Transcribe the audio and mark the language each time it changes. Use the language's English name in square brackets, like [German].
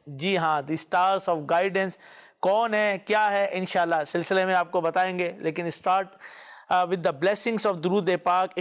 [Urdu] جی ہاں, [English] the stars of guidance. [Urdu] کون ہے, کیا ہے, انشاءاللہ سلسلے میں آپ کو بتائیں گے. لیکن [English] Start with the blessings of درود پاک.